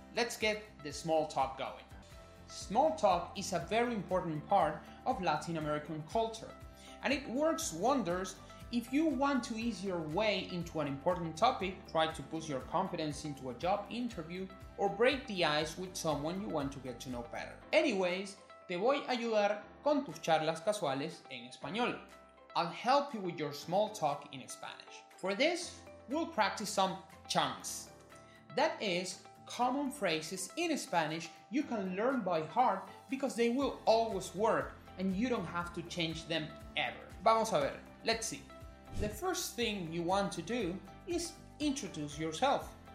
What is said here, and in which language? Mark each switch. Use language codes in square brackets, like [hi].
[en] Let's get the small talk going. Small talk is a very important part of Latin American culture, and it works wonders if you want to ease your way into an important topic, try to boost your confidence into a job interview, or break the ice with someone you want to get to know better. Anyways, [es] te voy a ayudar con tus charlas casuales en español. [en] I'll help you with your small talk in Spanish. For this, we'll practice some chunks. That is, common phrases in Spanish you can learn by heart because they will always work and you don't have to change them ever. [es] Vamos a ver, [en] let's see. The first thing you want to do is introduce yourself.